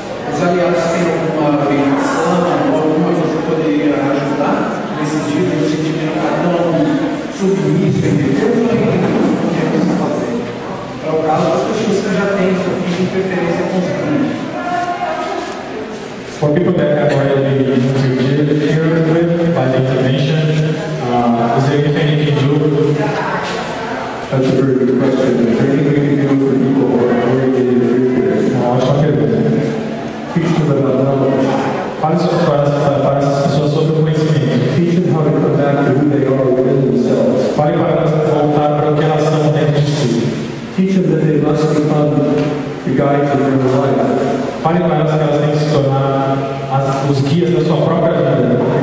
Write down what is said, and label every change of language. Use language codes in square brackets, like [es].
[pt] Os aliados têm alguma orientação, alguma coisa que poderia ajudar nesse dia de sentimento tão submisso e depois não é o que é fazer. Para o caso das pessoas que já têm sofrido interferência constante. [en] For people that have already been interfered with by the intervention, is there anything you can do? That's a very good question. Is there anything you can do for people who are already been interfered with? No, I'm talking about that. Teach them about knowledge. [pt] Fale sobre as pessoas sobre o conhecimento. [en] Teach them how to come back to who they are within themselves. [pt] Fale para elas voltar para o que elas são dentro de si. [en] Teach them that they must become the guide to their life. [pt] Fale para elas que elas têm que se tornar os guias da sua própria vida.